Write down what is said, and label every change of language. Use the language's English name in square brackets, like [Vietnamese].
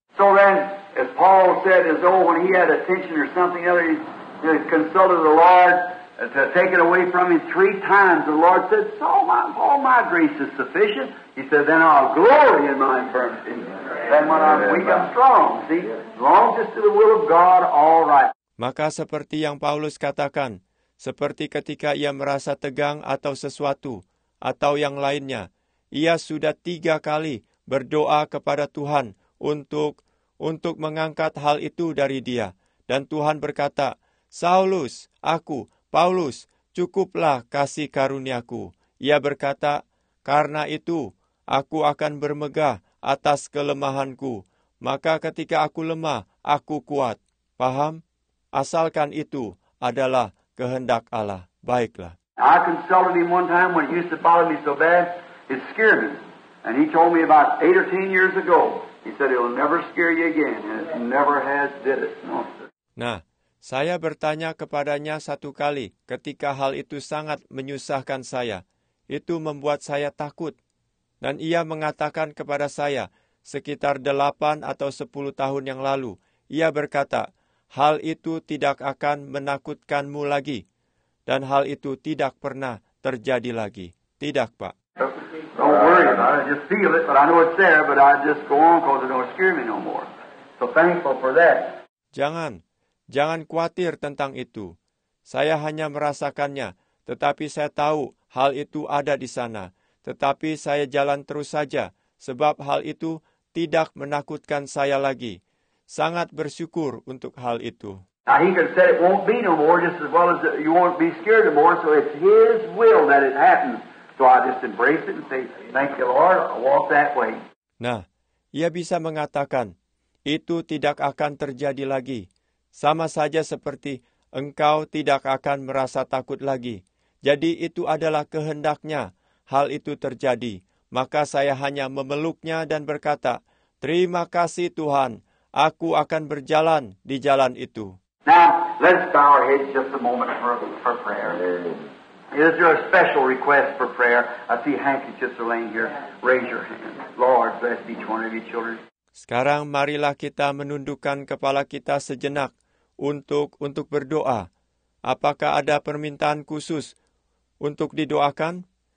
[English] So then, as Paul said, as though when he had a tension or something other, he consulted the Lord to take it away from him three times. The Lord said, so all my grace is sufficient. He said, then I'll glory in my infirmity. Then when I'm weak, I'm strong. See, as long as it's to the will of God, all right. [Indonesian] Maka seperti yang Paulus katakan, seperti ketika ia merasa tegang atau sesuatu, atau yang lainnya, ia sudah tiga kali berdoa kepada Tuhan untuk mengangkat hal itu dari dia. Dan Tuhan berkata, Saulus, aku, Paulus, cukuplah kasih karuniaku. Ia berkata, karena itu, aku akan bermegah atas kelemahanku. Maka ketika aku lemah, aku kuat. Paham? Asalkan itu adalah kehendak Allah. Baiklah. [English] I consulted him one time when it used to bother me so bad, it scared me. And he told me about 8 or 10 years ago, he said, it'll never scare you again. And it never has did it. No. [Indonesian] Nah, saya bertanya kepadanya satu kali ketika hal itu sangat menyusahkan saya. Itu membuat saya takut. Dan ia mengatakan kepada saya, sekitar 8 atau 10 tahun yang lalu, ia berkata, hal itu tidak akan menakutkanmu lagi. Dan hal itu tidak pernah terjadi lagi. Tidak, Pak. [English] Don't worry about it. I just feel it, but I know it's there, but I just go on because it don't scare me no more. So thankful for that. [Indonesian] Jangan khawatir tentang itu. Saya hanya merasakannya, tetapi saya tahu hal itu ada di sana. Tetapi saya jalan terus saja, sebab hal itu tidak menakutkan saya lagi. Sangat bersyukur untuk hal itu. [English] Now he could say it won't be no more, just as well as you won't be scared no more. So it's his will that it happens. So I just embrace it and say, thank you, Lord, I'll walk that way. [Indonesian] Nah, ia bisa mengatakan, itu tidak akan terjadi lagi. Sama saja seperti engkau tidak akan merasa takut lagi. Jadi itu adalah kehendaknya, hal itu terjadi. Maka saya hanya memeluknya dan berkata, terima kasih Tuhan, aku akan berjalan di jalan itu. [English] Now, let's bow our heads just a moment for prayer. Is there a special request for prayer? I see handkerchiefs are laying here. Raise your hand. Lord, bless each one of you children. [Indonesian] Sekarang marilah kita menundukkan kepala kita sejenak untuk berdoa. Apakah ada permintaan khusus untuk didoakan?